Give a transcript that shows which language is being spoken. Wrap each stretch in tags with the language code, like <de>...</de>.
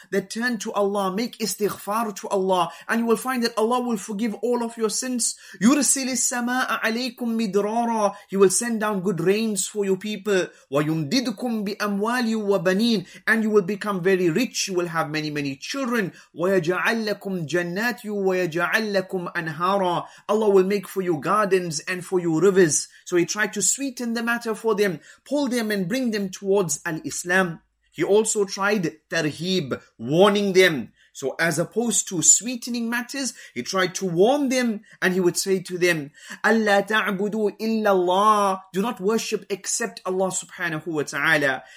<en>That turn to Allah, make istighfar to Allah, and you will find that Allah will forgive all of your sins.</en> <ar>يُرْسِلِ السَّمَاءَ عَلَيْكُمْ مِدْرَارًا.</ar> <en>He will send down good rains for your people.</en> <ar>وَيُمْدِدْكُمْ بِأَمْوَالٍ وَبَنِينَ.</ar> <en>And you will become very rich, you will have many, many children.</en> <ar>وَيَجَعَلْ لَكُمْ جَنَّاتٍ وَيَجَعَلْ لَكُمْ Anhara.</ar> <en>Allah will make for you gardens and for you rivers. So he tried to sweeten the matter for them, pull them and bring them towards Al-Islam. He also tried tarheeb, warning them. So as opposed to sweetening matters, he tried to warn them and he would say to them, Allah ta'budu illa Allah, do not worship except Allah subhanahu wa ta'ala.</en>